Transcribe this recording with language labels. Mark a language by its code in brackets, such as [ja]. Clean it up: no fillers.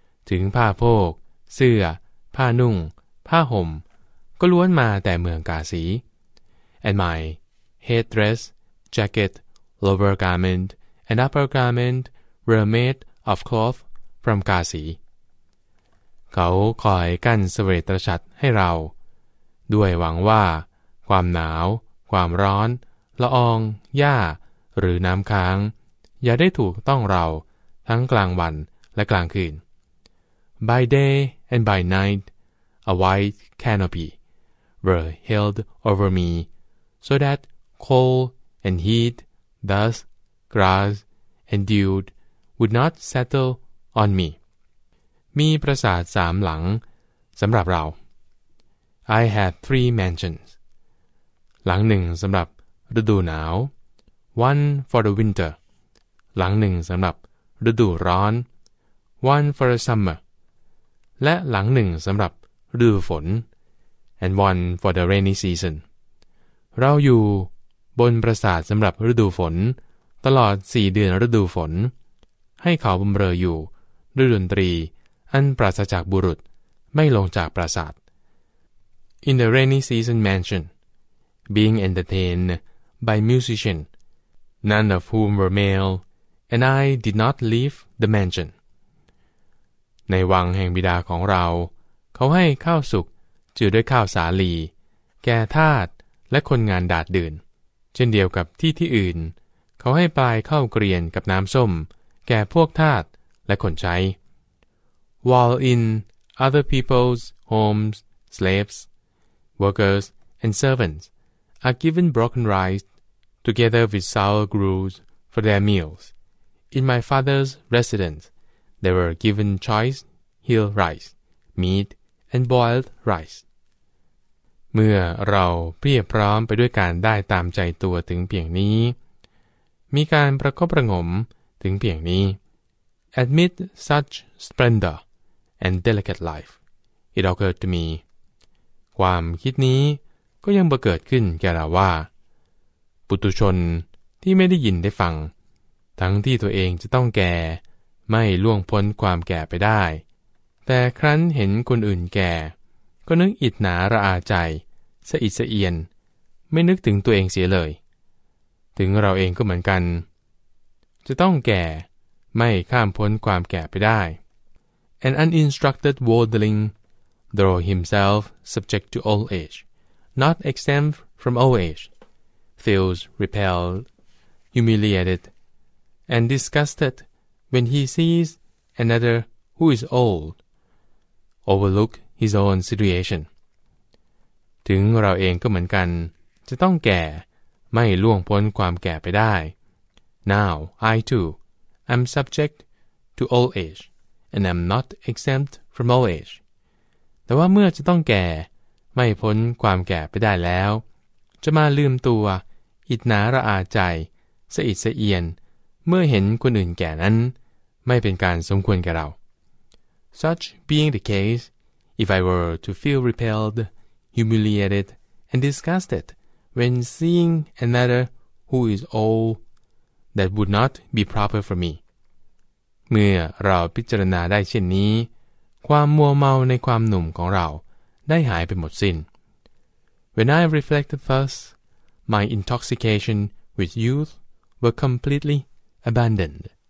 [th] ถึงผ้าโพกเสื้อผ้านุ่งผ้าห่มก็ล้วนมาแต่เมืองกาสี [en] And my headdress, jacket, lower garment, and upper garment were made of cloth from Kasi. [th] เขาคอยกั้นสเวตรฉัตรให้เราด้วยหวังว่าความหนาวความร้อนละอองหญ้าหรือน้ำค้างอย่าได้ถูกต้องเราทั้งกลางวันและกลางคืน [en] By day and by night, a white canopy were held over me so that cold and heat, dust, grass, and dew would not settle on me. [th] มีปราสาทสามหลังสำหรับเรา [en] I had three mansions [th] หลังหนึ่งสำหรับฤดูหนาว [en] One for the winter [th] หลังหนึ่งสำหรับฤดูร้อน [en] One for the summer [th] และหลังหนึ่งสำหรับฤดูฝน [en] And one for the rainy season [th] เราอยู่บนปราสาทสำหรับฤดูฝนตลอด4เดือนฤดูฝนให้เขาบำเรออยู่ด้วยดนตรีอันปราศจากบุรุษไม่ลงจากปราสาท [en] In the rainy season mansion, being entertained by musicians, none of whom were male, and I did not leave the mansion. [th] ในวังแห่งบิดาของเราเขาให้ข้าวสุกจืดด้วยข้าวสาลีแก่ทาสและคนงานดาดดื่นเช่นเดียวกับที่ที่อื่นเขาให้ปลายข้าวเกรียนกับน้ำส้มแก่พวกทาสและคนใช้ [en] While in other people's homes, slaves, workers, and servants are given broken rice together with sour gruel for their meals. In my father's residence, they were given choice hill rice, meat, and boiled rice. [th] เมื่อเราเพียบพร้อมไปด้วยการได้ตามใจตัวถึงเพียงนี้มีการประคบประงมถึงเพียงนี้ [en] Amid such splendor,and delicate life, it occurred to me. [th] ความคิดนี้ก็ยังบังเกิดขึ้นแก่เราว่าปุถุชนที่ไม่ได้ยินได้ฟังทั้งที่ตัวเองจะต้องแก่ไม่ล่วงพ้นความแก่ไปได้แต่ครั้นเห็นคนอื่นแก่ก็นึกอิจฉาระอาใจสะอิดสะเอียนไม่นึกถึงตัวเองเสียเลยถึงเราเองก็เหมือนกันจะต้องแก่ไม่ข้ามพ้นความแก่ไปได้ [en] An uninstructed worldling, though himself subject to old age, not exempt from old age, feels repelled, humiliated, and disgusted when he sees another who is old overlook his own situation. [th] ถึงเราเองก็เหมือนกันจะต้องแก่ไม่ล่วงพ้นความแก่ไปได้ [en] Now, I too, am subject to old age. And I'm not exempt from old age. [th] แต่ว่าเมื่อจะต้องแก่ไม่พ้นความแก่ไปได้แล้วจะมาลืมตัวอิจฉาระอาใจสะอิดสะเอียนเมื่อเห็นคนอื่นแก่นั้นไม่เป็นการสมควรแก่เรา [en] Such being the case, if I were to feel repelled, humiliated, and disgusted when seeing another who is old, that would not be proper for me. [th] เมื่อเราพิจารณาได้เช่นนี้ความมัวเมาในความหนุ่มของเราได้หายไปหมดสิ้น [en] When I reflected thus, my intoxication with youth were completely abandoned.